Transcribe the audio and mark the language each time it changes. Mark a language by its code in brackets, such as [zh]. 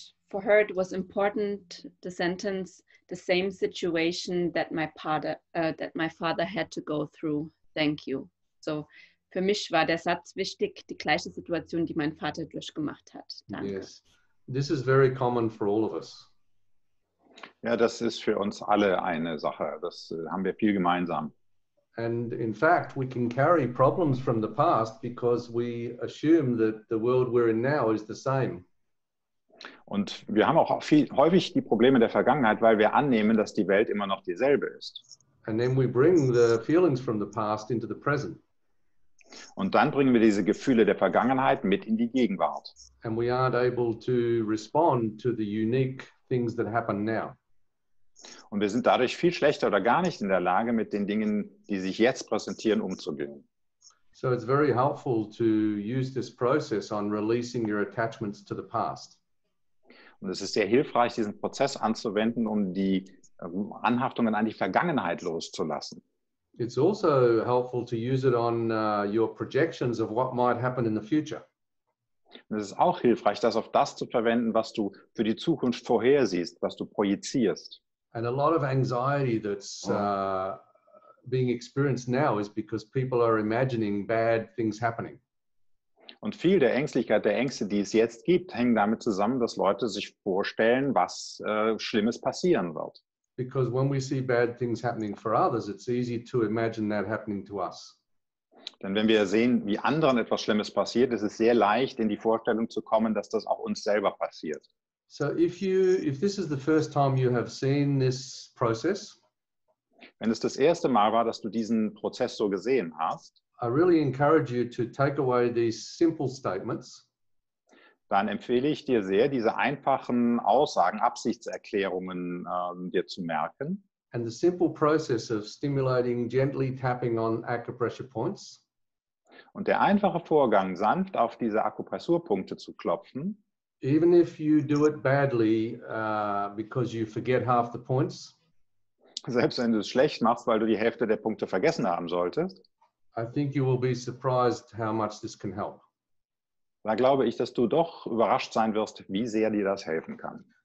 [en] for her, it was important, the sentence, the same situation that my father had to go through. Thank you. [de] So für mich war der Satz wichtig, die gleiche Situation, die mein Vater durchgemacht hat. Danke. [en] Yes, this is very common for all of us. [de] Ja, das ist für uns alle eine Sache. Das haben wir viel gemeinsam. [en] And in fact, we can carry problems from the past because we assume that the world we're in now is the same. [de] Und wir haben auch häufig die Probleme der Vergangenheit, weil wir annehmen, dass die Welt immer noch dieselbe ist. [en] And then we bring the feelings from the past into the present. [de] Und dann bringen wir diese Gefühle der Vergangenheit mit in die Gegenwart. [en] And we aren't able to respond to the unique things that happen now. [de] Und wir sind dadurch viel schlechter oder gar nicht in der Lage, mit den Dingen, die sich jetzt präsentieren, umzugehen. [en] So it's very helpful to use this process on releasing your attachments to the past. [de] Und es ist sehr hilfreich, diesen Prozess anzuwenden, um die Anhaftungen an die Vergangenheit loszulassen. [en] It's also helpful to use it on your projections of what might happen in the future. [de] Und es ist auch hilfreich, das auf das zu verwenden, was du für die Zukunft vorhersiehst, was du projizierst. [en] And a lot of anxiety that's being experienced now is because people are imagining bad things happening. [de] Und viel der Ängstlichkeit, der Ängste, die es jetzt gibt, hängen damit zusammen, dass Leute sich vorstellen, was Schlimmes passieren wird. [en] Because when we see bad things happening for others, it's easy to imagine that happening to us. [de] Denn wenn wir sehen, wie anderen etwas Schlimmes passiert, ist es sehr leicht, in die Vorstellung zu kommen, dass das auch uns selber passiert. [en] So if this is the first time you have seen this process, [de] wenn es das erste Mal war, dass du diesen Prozess so gesehen hast, [en] I really encourage you to take away these simple statements. [de] Dann empfehle ich dir sehr, diese einfachen Aussagen, Absichtserklärungen dir zu merken. [en] And the simple process of stimulating, gently tapping on acupressure points. [de] Und der einfache Vorgang, sanft auf diese Akupressurpunkte zu klopfen. [en] Even if you do it badly, because you forget half the points. [de] Selbst wenn du es schlecht machst, weil du die Hälfte der Punkte vergessen haben solltest. [en] I think you will be surprised how much this can help. [de] Da glaube ich, dass du doch überrascht sein wirst, wie sehr dir das helfen kann.